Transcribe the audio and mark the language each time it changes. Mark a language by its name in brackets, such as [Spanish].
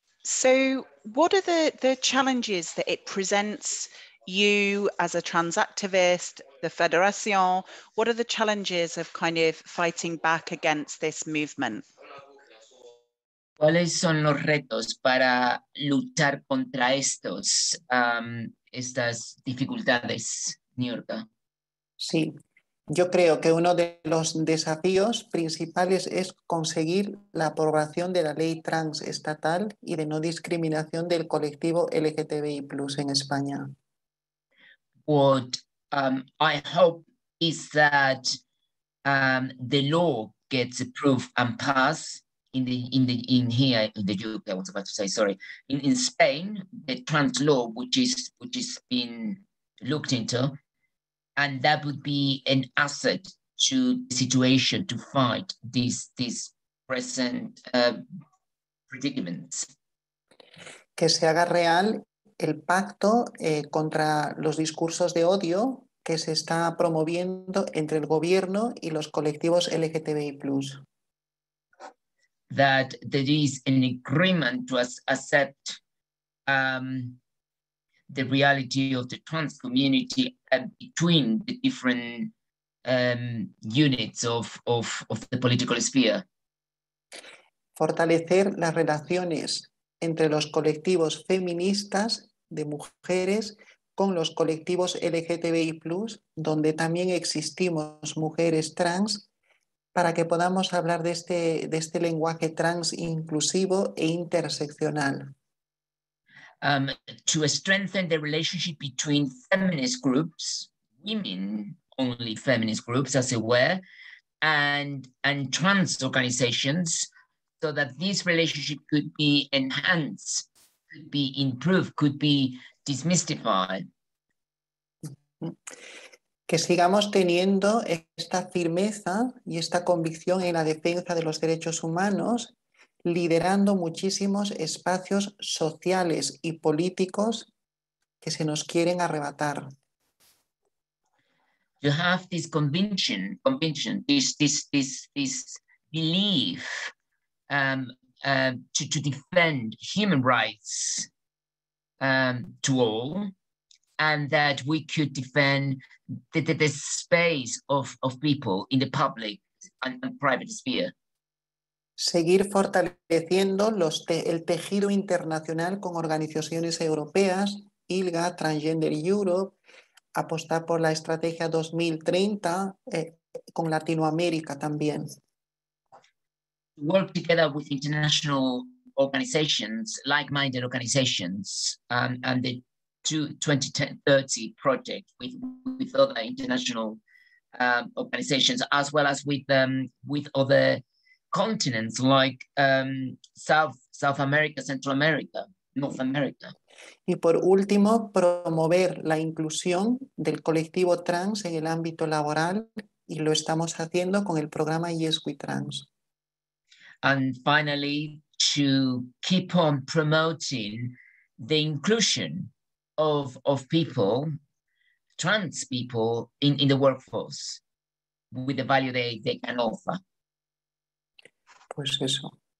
[English] So what are the challenges that it presents you as a trans activist, the Federación? What are the challenges of kind of fighting back against this movement? [Spanish] ¿Cuáles son los retos para luchar contra estos, estas dificultades, Niurka? Sí, yo creo que uno de los desafíos principales es conseguir la aprobación de la ley trans estatal y de no discriminación del colectivo LGTBI+ en España. [English] What I hope is that the law gets approved and passed in Spain, the trans law, which is being looked into, and that would be an asset to the situation to fight these present predicaments. [Spanish] Que se haga real el pacto contra los discursos de odio que se está promoviendo entre el gobierno y los colectivos LGTBI+. [English] That there is an agreement to accept the reality of the trans community between the different units of the political sphere. [Spanish] Fortalecer las relaciones entre los colectivos feministas de mujeres con los colectivos LGTBI+, donde también existimos mujeres trans, para que podamos hablar de este lenguaje trans inclusivo e interseccional. [English] To strengthen the relationship between feminist groups, women-only feminist groups, as it were, and trans organizations, so that this relationship could be enhanced, could be improved, could be demystified. [Spanish] Que sigamos teniendo esta firmeza y esta convicción en la defensa de los derechos humanos, liderando muchísimos espacios sociales y políticos que se nos quieren arrebatar. [English] You have this conviction, this belief to defend human rights to all, and that we could defend the space of people in the public and private sphere. [Spanish] Seguir fortaleciendo el tejido internacional con organizaciones europeas, ILGA, Transgender Europe, apostar por la estrategia 2030 con Latinoamérica también. [English] Work together with international organizations, like-minded organizations, and the 2030 project with other international organizations, as well as with other continents like South America, Central America, North America. [Spanish] Y por último, promover la inclusión del colectivo trans en el ámbito laboral, y lo estamos haciendo con el programa Yes We Trans. [English] And finally, to keep on promoting the inclusion of people, trans people, in the workforce with the value they can offer. [Spanish] Pues eso.